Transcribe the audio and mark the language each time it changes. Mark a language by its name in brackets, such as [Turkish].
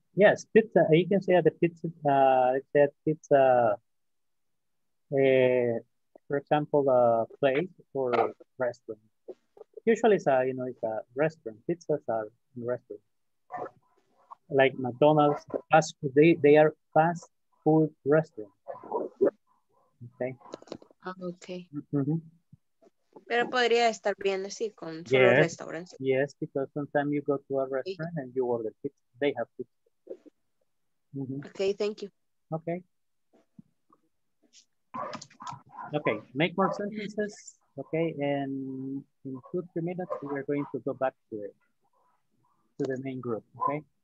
[English] Yes, pizza, you can say at the pizza, for example, a place or restaurant. Usually it's a, you know, it's a restaurant. Pizzas are in restaurants. Like McDonald's, fast food, they are fast food restaurants. Okay. Okay. Mm-hmm. [Spanish] Pero podría estar bien así con solo yes. Restaurantes. [English] Yes, because sometimes you go to a restaurant okay. And you order pizza. They have pizza. Mm-hmm. Okay, thank you. Okay. Okay, make more sentences. Okay, and in 2-3 minutes, we are going to go back to the main group, okay?